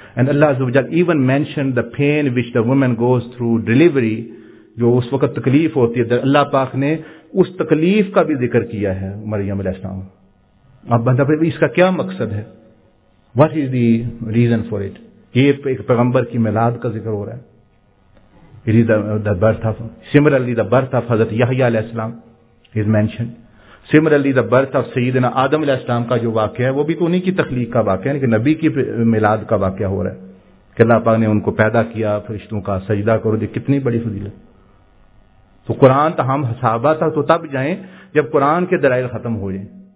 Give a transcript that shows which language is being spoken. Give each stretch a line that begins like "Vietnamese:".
English: And Allah عز و جل even mentioned the pain which the woman goes through delivery,
Urdu: جو اس وقت تکلیف ہوتی ہے, اللہ پاک نے اس تکلیف کا بھی ذکر کیا ہے مریم علیہ السلام. اب بندہ پھر اس کا کیا مقصد ہے,
English: What is the reason for it?
Urdu: یہ ایک پیغمبر کی میلاد کا ذکر ہو رہا ہے.
English: It is the birth of, similarly the birth of Hazrat Yahya alayhi salam is mentioned. Similarly the birth of Sayyidina Adam alayhi salam
Urdu: کا جو واقعہ ہے وہ بھی تو انہی کی تخلیق کا واقعہ ہے, لیکن نبی کی میلاد کا واقعہ ہو رہا ہے کہ اللہ پاک نے ان کو پیدا کیا فرشتوں کا, سجدہ کرو, یہ کتنی بڑی فضیلت. تو قرآن تو ہم صحابہ تھا تو تب جائیں جب قرآن کے دلائل ختم ہو جائیں.